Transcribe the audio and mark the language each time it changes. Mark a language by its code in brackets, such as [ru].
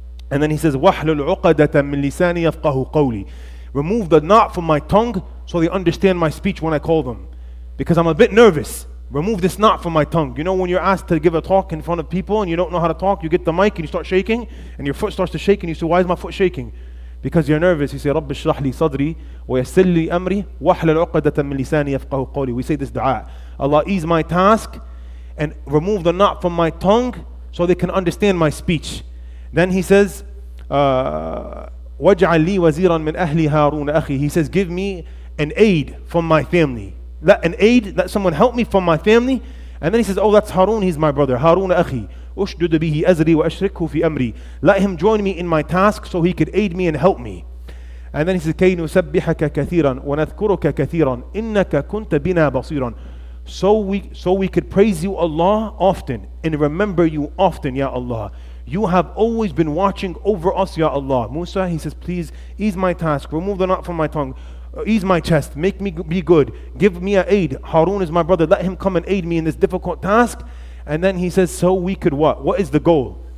[en] And then he says, [ar] wahlul uqadata min lisani yafqahu qawli. [en] Remove the knot from my tongue so they understand my speech when I call them. Because I'm a bit nervous. Remove this knot from my tongue. You know when you're asked to give a talk in front of people and you don't know how to talk, you get the mic and you start shaking and your foot starts to shake and you say, why is my foot shaking? Because you're nervous. You say, [ar] رَبِّ اشْرَحْ لِي صَدْرِي وَيَسِّرْ لِي أَمْرِي وَحْلَ الْعُقَدَةً مِنْ لِسَانِي يَفْقَهُ قَوْلِي. [en] We say this dua. Allah, ease my task and remove the knot from my tongue so they can understand my speech. Then he says, [ar] وَاجْعَلْ لِي وَزِيرًا مِنْ أَهْلِي هَارُونَ أَخِي. [en] He says, give me an aid from my family. Let an aid, let someone help me from my family. And then he says, oh, that's Harun, he's my brother. [ar] Harun أخي. أُشْدُدُ بِهِ أَزْرِي وَأَشْرِكْهُ فِي أَمْرِي. [en] Let him join me in my task so he could aid me and help me. And then he says, [ar] كَيْ نُسَبِّحَكَ كَثِيرًا وَنَذْكُرُكَ كَثِيرًا إِنَّكَ كُنْتَ بِنَا بَصِيرًا. [en] So we could praise you, Allah, often and remember you often, Ya Allah. You have always been watching over us, Ya Allah. Musa, he says, please ease my task. Remove the knot from my tongue. Ease my chest, make me be good, give me an aid. Harun is my brother, let him come and aid me in this difficult task. And then he says, so we could what? What is the goal?